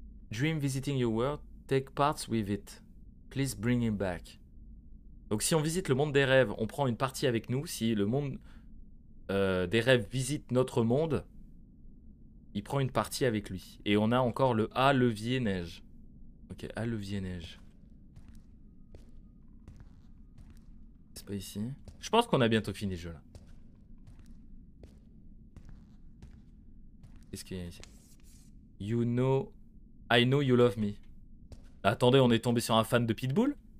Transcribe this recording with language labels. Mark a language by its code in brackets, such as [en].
[en] Dream visiting your world, take parts with it. Please bring him back. [fr] Donc, si on visite le monde des rêves, on prend une partie avec nous. Si le monde des rêves visite notre monde, il prend une partie avec lui. Et on a encore le A, levier, neige. Ok, A, levier, neige. C'est pas ici. Je pense qu'on a bientôt fini le jeu là. Qu'est-ce qu'il y a ici? [en] You know, I know you love me. [fr] Attendez, on est tombé sur un fan de Pitbull?